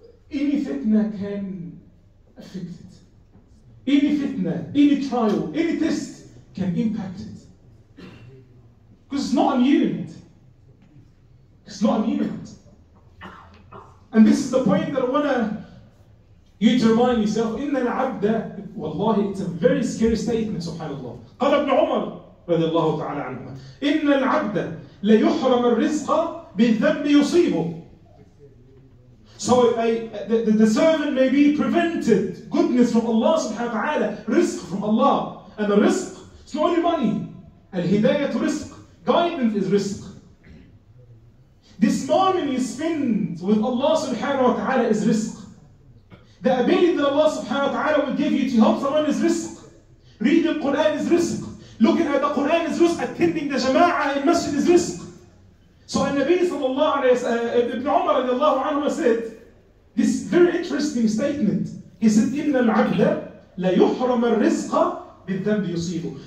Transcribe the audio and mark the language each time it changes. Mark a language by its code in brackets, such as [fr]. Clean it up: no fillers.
[en] Any fitna can affect it. Any fitna, any trial, any test can impact it. Because it's not immune. It's not immune. And this is the point that I want you to remind yourself. [ar] إِنَّ الْعَبْدَ وَاللَّهِ [en] It's a very scary statement, subhanAllah. [ar] قال ابن عمر رضي الله تعالى عنهما إِنَّ الْعَبْدَ لَيُحْرَمَ الرِّزْقَ بِالذَّنْبِ يُصِيبُهُ. [en] So the servant may be prevented goodness from Allah subhanahu wa ta'ala, rizq from Allah. And the rizq, it's not only money. Al-hidayah to rizq, guidance is rizq. This moment you spend with Allah subhanahu wa ta'ala is rizq. The ability that Allah subhanahu wa ta'ala will give you to help someone is rizq. Reading the Quran is rizq. Looking at the Quran is rizq. Attending the jama'ah in masjid is rizq. So Nabi sallallahu alayhi wa sallam, Ibn Umar radiallahu anhu said this very interesting statement. He said, [ar] إِنَّ الْعَبْدَ لَيُحْرَمَ الرِّزْقَ بِالذَّنْبِ يُصِيبُ.